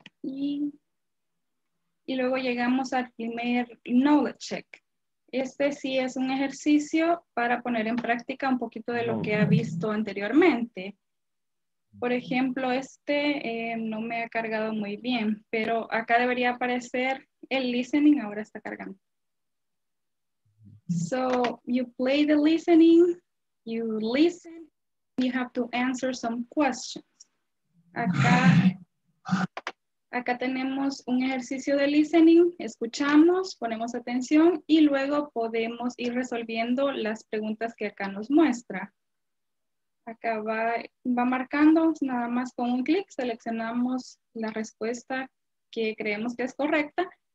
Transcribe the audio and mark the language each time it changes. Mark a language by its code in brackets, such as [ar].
[es] Y luego llegamos al primer knowledge check. Este sí es un ejercicio para poner en práctica un poquito de lo que ha visto anteriormente. Por ejemplo, este no me ha cargado muy bien, pero acá debería aparecer el listening. Ahora está cargando. [en] So you play the listening, you listen, you have to answer some questions. [es] Acá tenemos un ejercicio de listening, escuchamos, ponemos atención y luego podemos ir resolviendo las preguntas que acá nos muestra. Acá va marcando nada más con un clic, seleccionamos la respuesta que creemos que es correcta.